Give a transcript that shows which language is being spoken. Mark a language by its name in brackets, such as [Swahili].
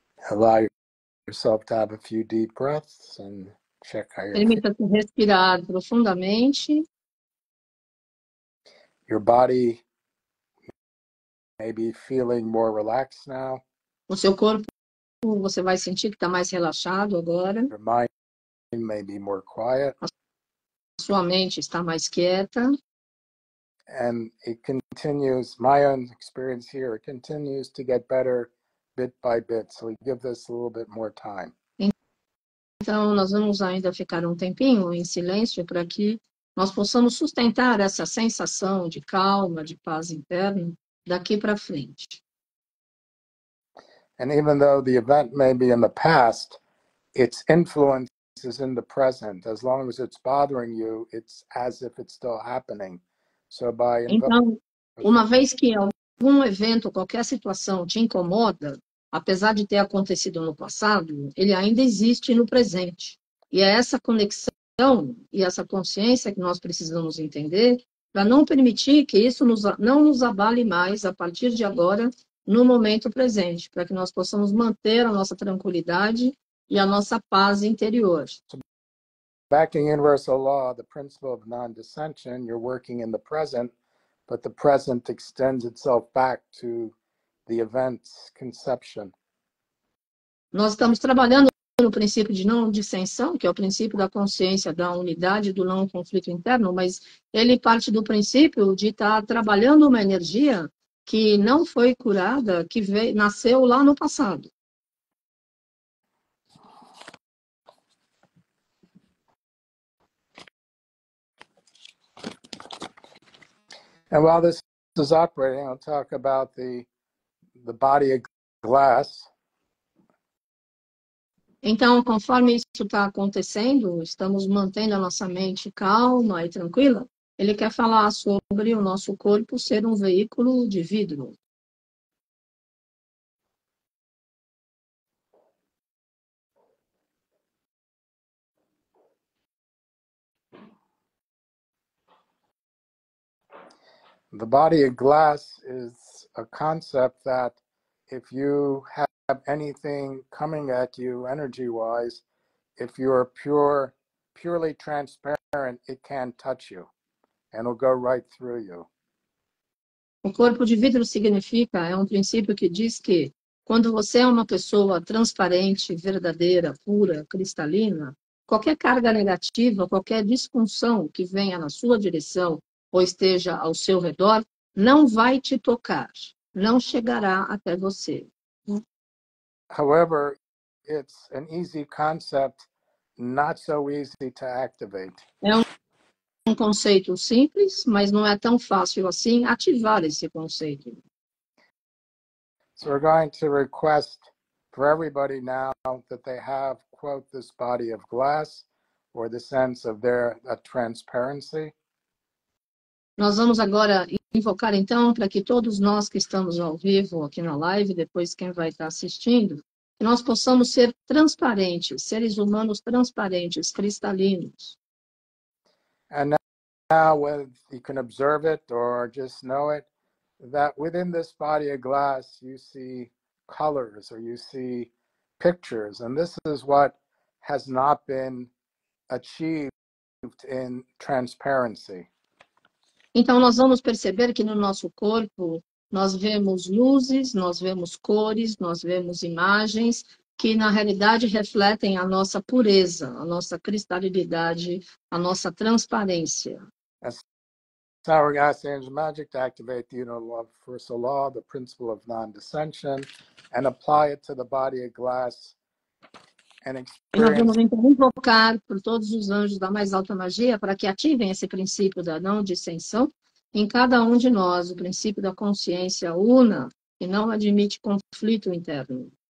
[English] Allow yourself to have a few deep breaths and check how you're [Portuguese] feeling. Permita-se respirar profundamente. [English] Your body may be feeling more relaxed now. [Portuguese] O seu corpo, você vai sentir que está mais relaxado agora. [English] Your mind may be more quiet. [Portuguese] A sua mente está mais quieta. [English] And it continues, my own experience here, it continues to get better. Bit by bit, so we give this a little bit more time. [Portuguese] Então, nós vamos ainda ficar um tempinho em silêncio para que nós possamos sustentar essa sensação de calma, de paz interna daqui para frente. [English] And even though the event may be in the past, its influence is in the present. As long as it's bothering you, it's as if it's still happening. So by [Portuguese] então, uma vez que algum evento, qualquer situação te incomoda, apesar de ter acontecido no passado, ele ainda existe no presente. E é essa conexão e essa consciência que nós precisamos entender para não permitir que isso não nos abale mais a partir de agora, no momento presente, para que nós possamos manter a nossa tranquilidade e a nossa paz interior. [English] Back in universal law, the principle of non-dissension, you're working in the present. But the present extends itself back to the event's conception. [Portuguese] Nós estamos trabalhando no princípio de não dissensão, que é o princípio da consciência, da unidade, do não conflito interno, mas ele parte do princípio de estar trabalhando uma energia que não foi curada, que veio, nasceu lá no passado. [English] And while this is operating, I'll talk about the body of glass. [Portuguese] Então, conforme isso está acontecendo, estamos mantendo a nossa mente calma e tranquila. Ele quer falar sobre o nosso corpo ser um veículo de vidro. [English] The body of glass is a concept that if you have anything coming at you energy-wise, if you are purely transparent, it can touch you and it'll go right through you. [Portuguese] O corpo de vidro significa, é um princípio que diz que quando você é uma pessoa transparente, verdadeira, pura, cristalina, qualquer carga negativa, qualquer disfunção que venha na sua direção, ou esteja ao seu redor, não vai te tocar, não chegará até você. [English] However, it's an easy concept, not so easy to activate. [Portuguese] É um conceito simples, mas não é tão fácil assim ativar esse conceito. [English] So we're going to request for everybody now that they have, quote, this body of glass, or the sense of their transparency. [Portuguese] Nós vamos agora invocar, então, para que todos nós que estamos ao vivo aqui na live, depois quem vai estar assistindo, que nós possamos ser transparentes, seres humanos transparentes, cristalinos. [English] And now, whether you can observe it or just know it, that within this body of glass, you see colors or you see pictures. And this is what has not been achieved in transparency. [Portuguese] Então, nós vamos perceber que no nosso corpo, nós vemos luzes, nós vemos cores, nós vemos imagens que, na realidade, refletem a nossa pureza, a nossa cristalidade, a nossa transparência. [English] So we're asking the magic to activate the universal law, the principle of non-dissension, and apply it to the body of glass and experience. [Portuguese] Nós vamos invocar por todos os anjos da mais alta magia para que ativem esse princípio da não dissensão em cada um de nós, o princípio da consciência una que não admite conflito interno.